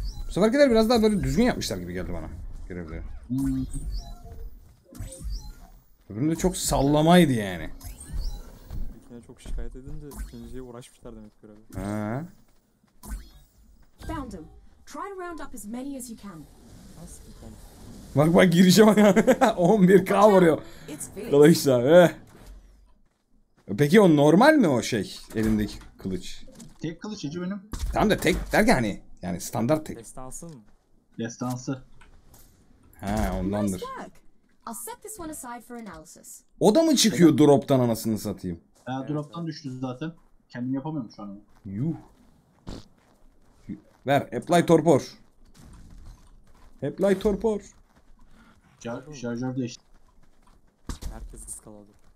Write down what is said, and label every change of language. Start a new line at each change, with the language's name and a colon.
Turkish: Bu seferkiler biraz daha böyle düzgün yapmışlar gibi geldi bana. Görevleri. Öbüründe çok sallamaydı yani. İlkine çok şikayet edince ikinciye uğraşmışlar demek görevi. Haa.
English: Found him. Try to round up as many as you can.
Turkish: Bak bak girişe bak. 11k vuruyor. Kılıçla. Peki o normal mi o şey? Elindeki kılıç. Tek kılıç hacı benim. Tamam da tek derken hani. Yani standart tek. Destansı mı? Destansı. He ondandır.
English: I'll set this one aside for analysis.
Turkish: O da mı çıkıyor drop'tan anasını satayım? Evet. Drop'tan düştü zaten. Kendim yapamıyorum şu an. Yuh. Ver.
English: Apply torpor. Apply torpor.
Turkish: Şarjör değişti. Herkes ıskaladı.